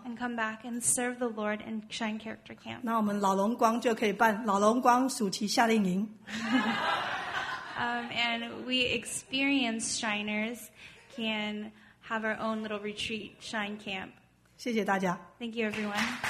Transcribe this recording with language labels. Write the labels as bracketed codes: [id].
[en] and come back and serve the Lord in Shine Character Camp. [zh] 那我们老荣光就可以办老荣光暑期夏令营。 [en] And we experienced Shiners can have our own little retreat, Shine Camp. [zh] 谢谢大家。 [en] Thank you, everyone.